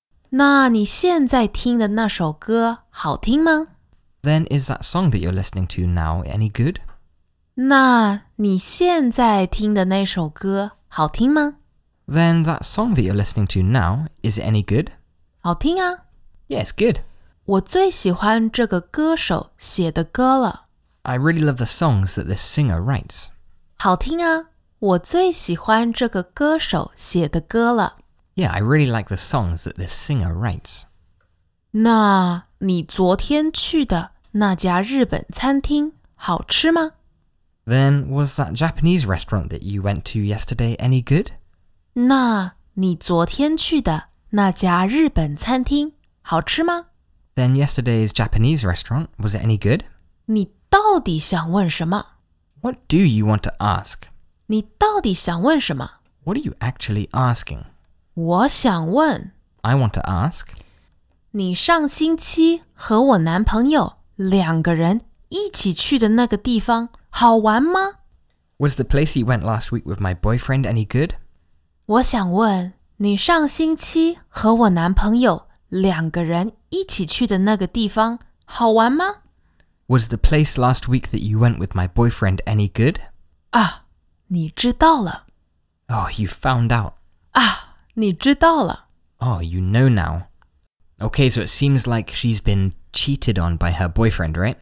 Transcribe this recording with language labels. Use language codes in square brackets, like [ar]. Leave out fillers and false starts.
[zh] 那你现在听的那首歌好听吗? [en] Then is that song that you're listening to now any good? [zh] 那你现在听的那首歌好听吗? [en] Then that song that you're listening to now, is it any good? [zh] 好听啊。 [en] Yeah, it's good. [zh] 我最喜欢这个歌手写的歌了。 [en] I really love the songs that this singer writes. [zh] 好听啊，我最喜欢这个歌手写的歌了。 [en] Yeah, I really like the songs that this singer writes. [zh] 那你昨天去的那家日本餐厅好吃吗? [en] Then was that Japanese restaurant that you went to yesterday any good? [zh] 那你昨天去的那家日本餐厅好吃吗? [en] Then yesterday's Japanese restaurant, was it any good? [zh] 你到底想问什么? [en] What do you want to ask? [zh] 你到底想问什么? [en] What are you actually asking? [zh] 我想问。 [en] I want to ask. [zh] 你上星期和我男朋友两个人一起去的那个地方好玩吗? [en] Was the place you went last week with my boyfriend any good? [zh] 我想问你上星期和我男朋友两个人一起去的那个地方好玩吗? [en] Was the place last week that you went with my boyfriend any good? [zh] 啊,你知道了。 [en] Oh, you found out. [zh] 啊,你知道了。 [en] Oh, you know now. Okay, so it seems like she's been cheated on by her boyfriend, right?